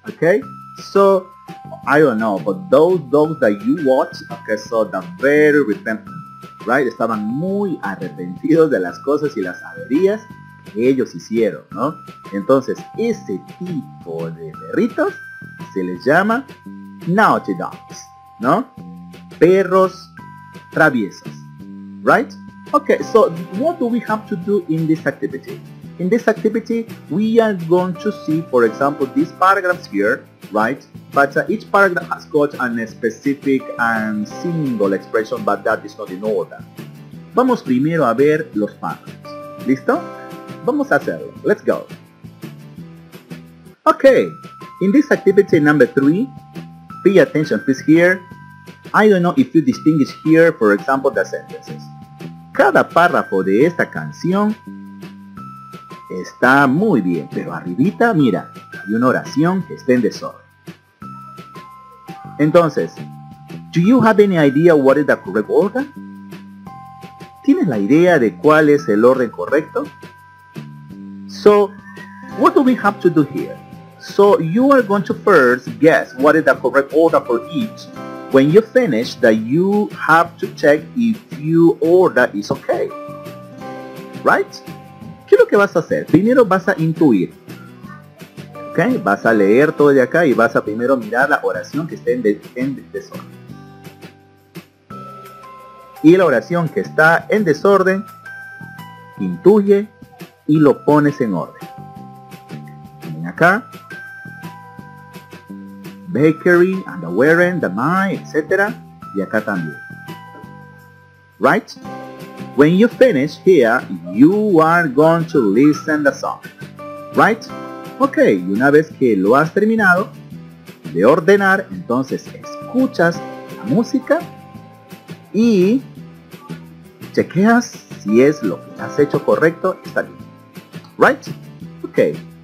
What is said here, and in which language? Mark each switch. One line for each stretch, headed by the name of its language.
English: Okay, so I don't know, but those dogs that you watch, okay, so they're very repentant, right?
Spanish: Estaban muy arrepentidos de las cosas y las averías que ellos hicieron, ¿no? Entonces, ese tipo de perritos se les llama
English: naughty dogs,
Spanish: ¿no? Perros traviesos, right?
English: Okay, so what do we have to do in this activity? In this activity, we are going to see, for example, these paragraphs here, right? But each paragraph has got a specific and single expression, but that is not in order.
Spanish: Vamos primero a ver los paragraphs. ¿Listo? Vamos a hacerlo.
English: Let's go. Okay, in this activity number 3, pay attention, please, here. I don't know if you distinguish here, for example, the sentences.
Spanish: Cada párrafo de esta canción está muy bien, pero arribita, mira, hay una oración que está en desorden.
English: Entonces, do you have any idea what is the correct order?
Spanish: ¿Tienes la idea de cuál es el orden correcto?
English: So, what do we have to do here? So, you are going to first guess what is the correct order for each. When you finish, that you have to check if your order is okay, right?
Spanish: ¿Qué es lo que vas a hacer? Primero vas a intuir, ¿ok? Vas a leer todo de acá y vas a primero mirar la oración que está en desorden. Y la oración que está en desorden, intuye y lo pones en orden. Ven acá.
English: Bakery, underwearing, the mine, etc.
Spanish: Y acá también.
English: Right? When you finish here, you are going to listen the song. Right?
Spanish: Ok, y una vez que lo has terminado de ordenar, entonces escuchas la música y chequeas si es lo que has hecho correcto, está bien. Right? Ok.